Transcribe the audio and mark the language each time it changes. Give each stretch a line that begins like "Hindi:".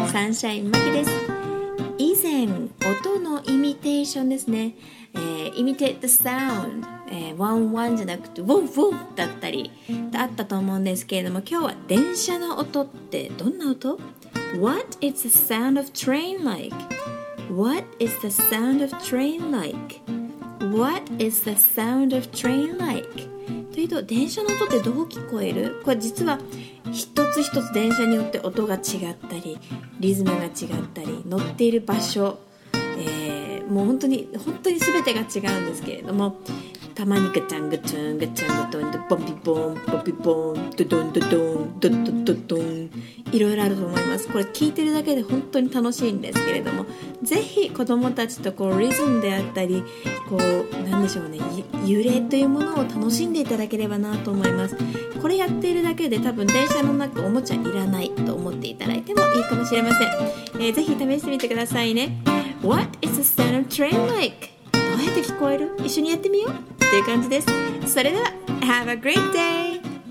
Japanese: サンシャインマキです。以前、音のイミテーションですね。
English: Imitate the sound、
Japanese: ワンワンじゃなくてウォンウォンだったりあったと思うんですけれども、今日は電車の音ってどんな音？
English: What is the sound of train like? What is the sound of train like? What is the sound of train like?
Japanese: というと電車の音ってどう聞こえる？これ実は一つ一つ電車によって音が違ったりリズムが違ったり乗っている場所、もう本当に全てが違うんですけれども、たまにガチャンガチャンガチャンガチャンドボンピボンボンピボンドドンドドンドドドドン、いろいろあると思います。これ聞いてるだけで本当に楽しいんですけれども、ぜひ子どもたちとこうリズムであったりこう何でしょうね、揺れというものを楽しんでいただければなと思います。これやっているだけで多分電車の中おもちゃいらないと思っていただいてもいいかもしれません。ぜひ試してみてくださいね。
English: What is the sound of train like?
Japanese: どうやって聞こえる？一緒にやってみようっていう感じです。それでは
English: Have a great day!